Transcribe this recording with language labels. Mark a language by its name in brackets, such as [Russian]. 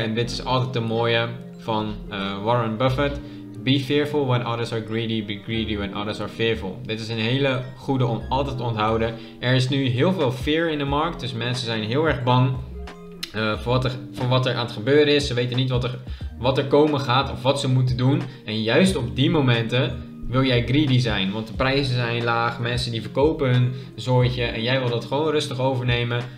[Dutch] En dit is altijd de mooie van Warren Buffett. [English] Be fearful when others are greedy, be greedy when others are fearful. [Dutch] Dit is een hele goede om altijd te onthouden. Er is nu heel veel fear in de markt, dus mensen zijn heel erg bang voor wat er aan het gebeuren is. Ze weten niet wat er komen gaat of wat ze moeten doen. En juist op die momenten wil jij greedy zijn, want de prijzen zijn laag, mensen die verkopen hun zooitje en jij wil dat gewoon rustig overnemen.